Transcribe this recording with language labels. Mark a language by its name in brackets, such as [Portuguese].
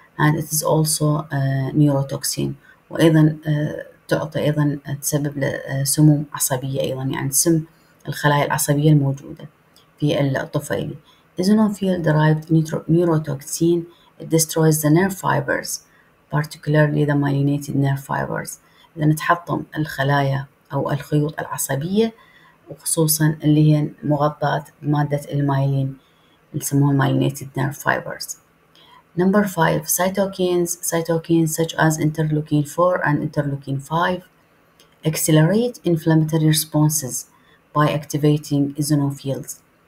[English] And it is also neurotoxin. [Arabic] وأيضا تعطي أيضا تسبب لسموم عصبية أيضا, يعني سم الخلايا العصبية الموجودة في الطفيلي. [English] Eosinophil derived neurotoxin, it destroys the nerve fibers, particularly the myelinated nerve fibers. [Arabic] إذا نتحطم الخلايا أو الخيوط العصبية وخصوصا اللي هي مغطاة مادة الميلين اللي يسموها [English] myelinated nerve fibers. Number 5, cytokines. Cytokines such as interleukin 4 and interleukin 5 accelerate inflammatory responses by activating eosinophils.